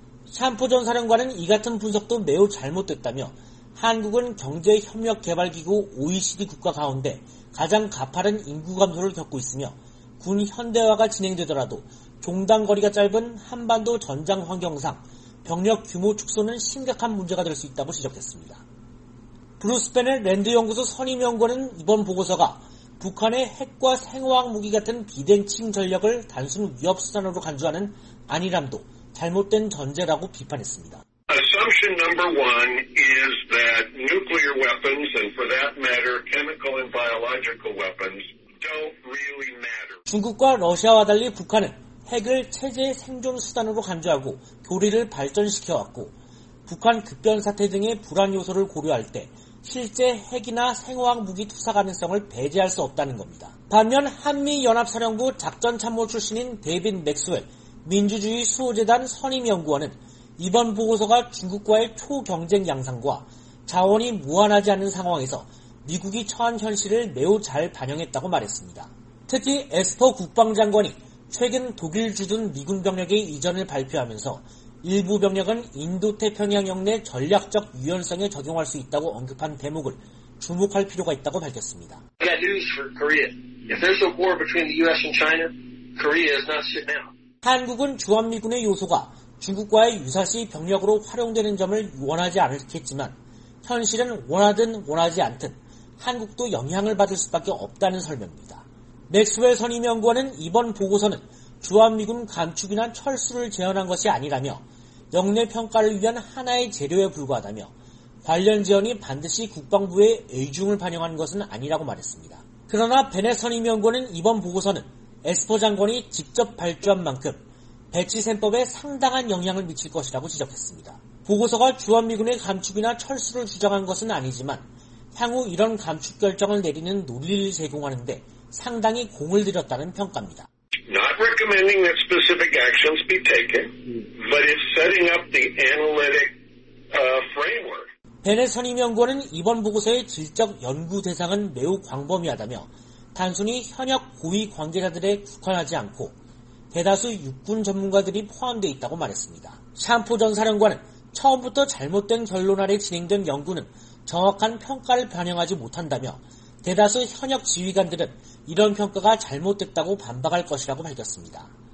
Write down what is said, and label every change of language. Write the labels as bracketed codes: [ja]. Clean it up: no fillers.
[ko] 샴포 전 사령관은 이 같은 분석도 매우 잘못됐다며 한국은 경제협력개발기구 OECD 국가 가운데 가장 가파른 인구 감소를 겪고 있으며 군 현대화가 진행되더라도 종단거리가 짧은 한반도 전장 환경상 병력 규모 축소는 심각한 문제가 될 수 있다고 지적했습니다. 브루스펜의 랜드연구소 선임연구원은 이번 보고서가 북한의 핵과 생화학 무기 같은 비대칭 전력을 단순 위협 수단으로 간주하는 안일함도 잘못된 전제라고 비판했습니다. [en] Assumption number one is that nuclear weapons and for that matter chemical and biological weapons don't really matter. [ko] 중국과 러시아와 달리 북한은 핵을 체제의 생존 수단으로 간주하고 교리를 발전시켜왔고 북한 급변 사태 등의 불안 요소를 고려할 때 실제 핵이나 생화학 무기 투사 가능성을 배제할 수 없다는 겁니다. 반면 한미연합사령부 작전참모 출신인 데이빈 맥스웰 민주주의 수호재단 선임연구원은 이번 보고서가 중국과의 초경쟁 양상과 자원이 무한하지 않은 상황에서 미국이 처한 현실을 매우 잘 반영했다고 말했습니다. 특히 에스퍼 국방장관이 최근 독일 주둔 미군 병력의 이전을 발표하면서 일부 병력은 인도태평양 역내 전략적 유연성에 적용할 수 있다고 언급한 대목을 주목할 필요가 있다고 밝혔습니다. [en] I got news for Korea. If there's a war between the US and China, Korea is not sitting down. [ko] 한국은 주한미군의 요소가 중국과의 유사시 병력으로 활용되는 점을 원하지 않겠지만 현실은 원하든 원하지 않든 한국도 영향을 받을 수밖에 없다는 설명입니다. 맥스웰 선임연구원은 이번 보고서는 주한미군 감축이나 철수를 재현한 것이 아니라며 역내 평가를 위한 하나의 재료에 불과하다며 관련 재현이 반드시 국방부의 의중을 반영한 것은 아니라고 말했습니다. 그러나 베넷 선임연구원은 이번 보고서는 에스퍼 장관이 직접 발주한 만큼 배치셈법에 상당한 영향을 미칠 것이라고 지적했습니다. 보고서가 주한미군의 감축이나 철수를 주장한 것은 아니지만 향후 이런 감축 결정을 내리는 논리를 제공하는 데 상당히 공을 들였다는 평가입니다. [en] Not recommending that specific actions be taken, but it's setting up the analytic framework. [ko] 베넷 선임연구원은 이번 보고서의 질적 연구 대상은 매우 광범위하다며 단순히 현역 고위 관계자들에 국한하지 않고 대다수 육군 전문가들이 포함되어 있다고 말했습니다. 샴포 전 사령관은 처음부터 잘못된 결론 아래 진행된 연구는 정확한 평가를 반영하지 못한다며 대다수 현역 지휘관들은 이런 평가가 잘못됐다고 반박할 것이라고 밝혔습니다.